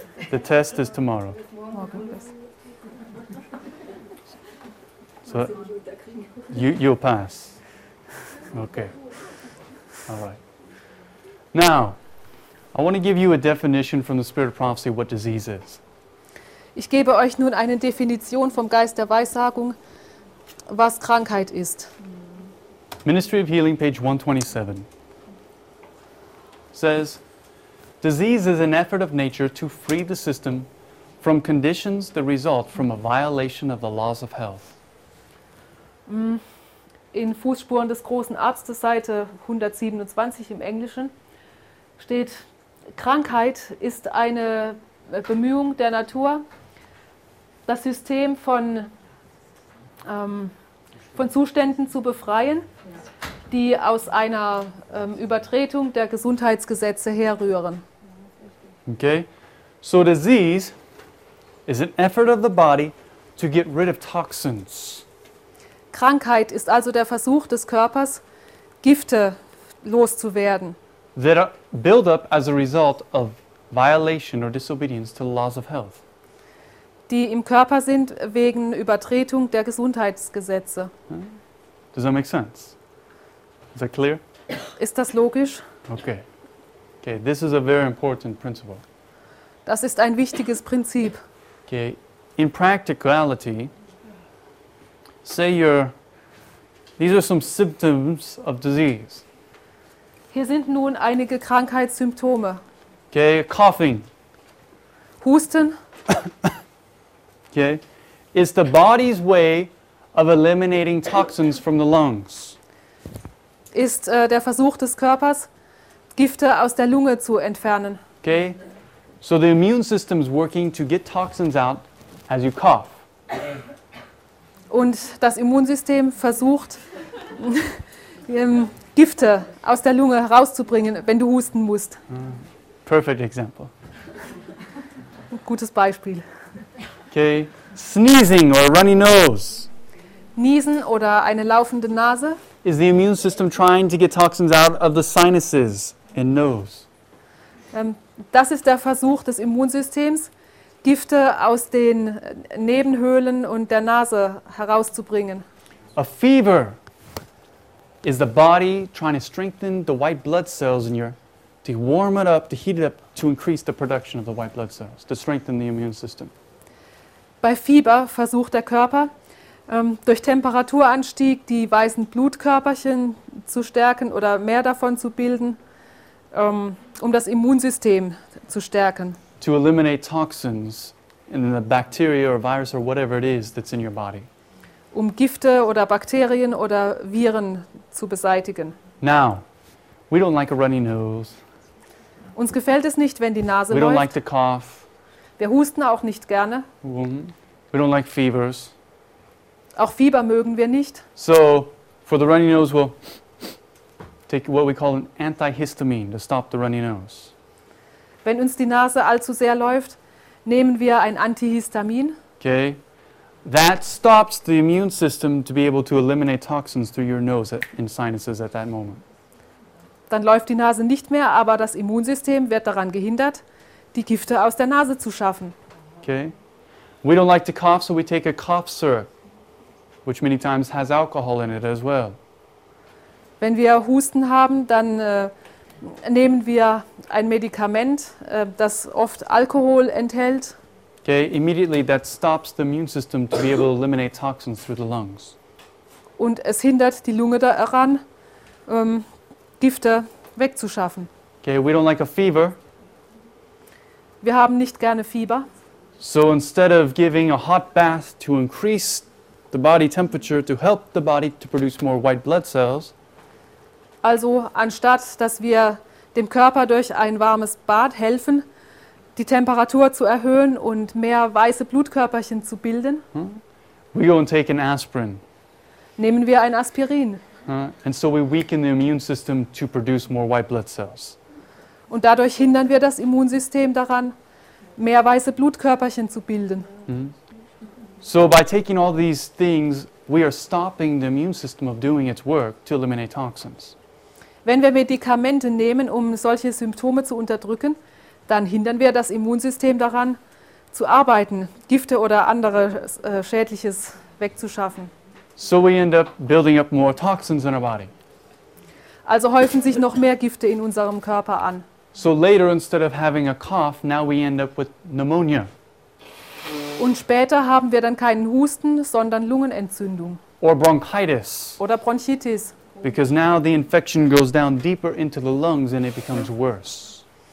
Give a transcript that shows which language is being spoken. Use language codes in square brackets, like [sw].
[en] The test is tomorrow. So you'll pass. Okay. All right. Now, I want to give you a definition from the Spirit of Prophecy what disease is. [de] Ich gebe euch nun eine Definition vom Geist der Weissagung, was Krankheit ist. [en] Ministry of Healing, page 127. says, disease is an effort of nature to free the system from conditions that result from a violation of the laws of health. [de] In Fußspuren des großen Arztes, Seite 127 im Englischen, steht, Krankheit ist eine Bemühung der Natur, das System von Zuständen zu befreien, die aus einer Übertretung der Gesundheitsgesetze herrühren. [en] Okay, so disease is an effort of the body to get rid of toxins. [de] Krankheit ist also der Versuch des Körpers, Gifte loszuwerden. [en] That build up as a result of violation or disobedience to the laws of health. [de] Die im Körper sind wegen Übertretung der Gesundheitsgesetze. [en] Does that make sense? Is that clear? [de] Ist das logisch? [en] Okay. Okay, this is a very important principle. [de] Das ist ein wichtiges Prinzip. [en] Okay, in practicality, say you're, these are some symptoms of disease. [de] Hier sind nun einige Krankheitssymptome. [en] Okay, coughing. [de] Husten. [en] Okay, it's the body's way of eliminating toxins from the lungs. [de] Ist der Versuch des Körpers, Gifte aus der Lunge zu entfernen. [en] Okay, so the immune system is working to get toxins out as you cough. [de] Und das Immunsystem versucht, Gifte aus der Lunge herauszubringen, wenn du husten musst. [en] Perfect example. [de] Gutes Beispiel. [en] Okay, sneezing or a runny nose. [de] Niesen oder eine laufende Nase. [en] Is the immune system trying to get toxins out of the sinuses and nose? [de] Das ist der Versuch des Immunsystems, Gifte aus den Nebenhöhlen und der Nase herauszubringen. [en] A fever is the body trying to strengthen the white blood cells in your, to warm it up, to heat it up, to increase the production of the white blood cells, to strengthen the immune system. [de] Bei Fieber versucht der Körper, durch Temperaturanstieg die weißen Blutkörperchen zu stärken oder mehr davon zu bilden, um das Immunsystem zu stärken. [en] To eliminate toxins in the bacteria or virus or whatever it is that's in your body. [de] Um Gifte oder Bakterien oder Viren zu beseitigen. [en] Now, we don't like a runny nose. [de] Uns gefällt es nicht, wenn die Nase läuft. [en] We don't like to cough. [de] Wir husten auch nicht gerne. [en] We don't like fevers. [de] Auch Fieber mögen wir nicht. [en] So, for the runny nose, we'll take what we call an antihistamine to stop the runny nose. [de] Wenn uns die Nase allzu sehr läuft, nehmen wir ein Antihistamin. [en] Okay. That stops the immune system to be able to eliminate toxins through your nose and sinuses at that moment. [de] Dann läuft die Nase nicht mehr, aber das Immunsystem wird daran gehindert, die Gifte aus der Nase zu schaffen. [en] Okay. We don't like to cough, so we take a cough syrup, which many times has alcohol in it as well. [de] Wenn wir Husten haben, dann nehmen wir ein Medikament, das oft Alkohol enthält. [en] Okay, immediately that stops the immune system to be able to eliminate toxins through the lungs. [de] Und es hindert die Lunge daran, Gifte wegzuschaffen. [en] Okay, we don't like a fever. [de] Wir haben nicht gerne Fieber. [en] So instead of giving a hot bath to increase the body temperature to help the body to produce more white blood cells. [de] Also anstatt, dass wir dem Körper durch ein warmes Bad helfen, die Temperatur zu erhöhen und mehr weiße Blutkörperchen zu bilden. [en] We go and take an aspirin. [de] Nehmen wir ein Aspirin. [en] And so we weaken the immune system to produce more white blood cells. [de] Und dadurch hindern wir das Immunsystem daran, mehr weiße Blutkörperchen zu bilden. [en] So by taking all these things, we are stopping the immune system of doing its work to eliminate toxins. [de] Wenn wir Medikamente nehmen, um solche Symptome zu unterdrücken, dann hindern wir das Immunsystem daran, zu arbeiten, Gifte oder andere Schädliches wegzuschaffen. [en] So we end up building up more toxins in our body. [de] Also häufen sich noch mehr Gifte in unserem Körper an. [en] So later, instead of having a cough, now we end up with pneumonia. [de] Und später haben wir dann keinen Husten, sondern Lungenentzündung. [en] Or bronchitis. [de] Oder Bronchitis. [en] Because now the infection goes down deeper into the lungs and it becomes worse.